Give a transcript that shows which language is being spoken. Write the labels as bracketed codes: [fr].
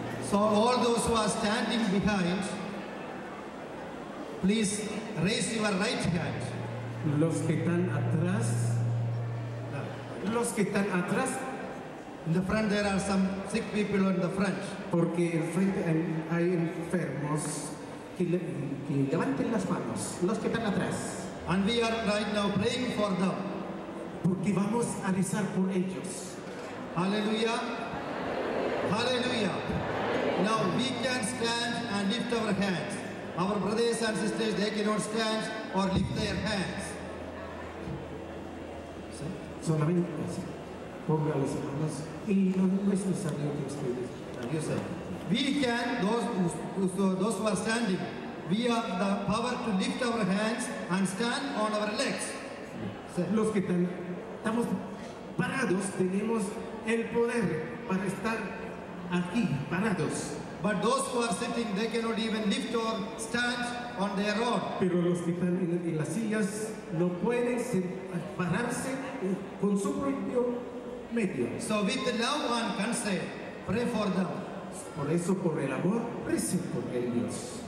[en] So all those who are standing behind, please raise your right hand. [es] Los que están atrás. Los que están atrás. [en] In the front there are some sick people on the front. [es] Porque en frente hay enfermos que levanten las manos, los que están atrás. [en] And we are right now praying for them. [es] Porque vamos a rezar por ellos. [en] Hallelujah. Hallelujah. Now we can stand and lift our hands. Our brothers and sisters, they cannot stand or lift their hands. [es] Solamente. Ponga las manos y no es necesario que ustedes. [en] You say, we can, those who are standing, we have the power to lift our hands and stand on our legs. Yeah. [es] Los que estamos parados tenemos el poder para estar aquí, parados. [en] But those who are sitting, they cannot even lift or stand on their own. [es] Pero los que están en las sillas no pueden pararse con su propio. [en] So with love and concern, pray for them. [es] Por eso, por el amor, prese por ellos.